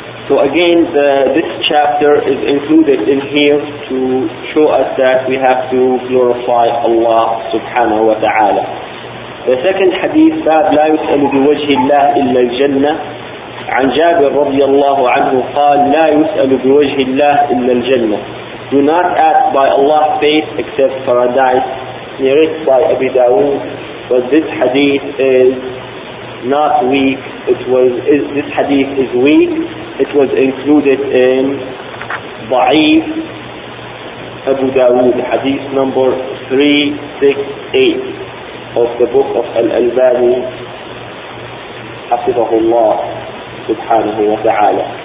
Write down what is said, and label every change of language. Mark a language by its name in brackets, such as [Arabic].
[English] So again, this chapter is included in here to show us that we have to glorify Allah subhanahu wa ta'ala. The second hadith, [Arabic] باب لا يسأل بوجه الله إلا الجنة. عن جابر رضي الله عنه قال لا يسأل بوجه الله إلا الجنة. [English] Do not ask by Allah's face except paradise. Narrated by Abi Dawood. But this hadith is not weak. This hadith is weak. It was included in Da'if Abu Dawood, hadith number 368 of the book of Al-Albani, Hafizahullah subhanahu wa ta'ala.